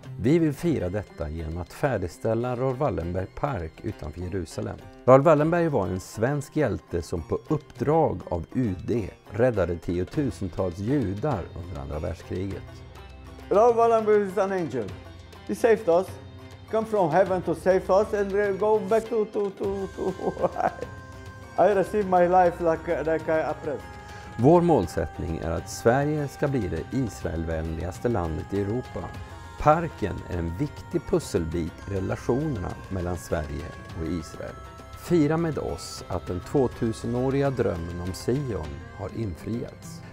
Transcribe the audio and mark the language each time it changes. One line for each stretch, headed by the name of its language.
Swedish: Vi vill fira detta genom att färdigställa Raoul Wallenberg Park utanför Jerusalem. Raoul Wallenberg var en svensk hjälte som på uppdrag av UD räddade tiotusentals judar under andra världskriget.
English: Raoul Wallenberg is an angel. He saved us. Come from heaven to save us and go back to I received my life like I appreciate.
Swedish: Vår målsättning är att Sverige ska bli det Israelvänligaste landet i Europa. Parken är en viktig pusselbit i relationerna mellan Sverige och Israel. Fira med oss att den 2000-åriga drömmen om Sion har infriats.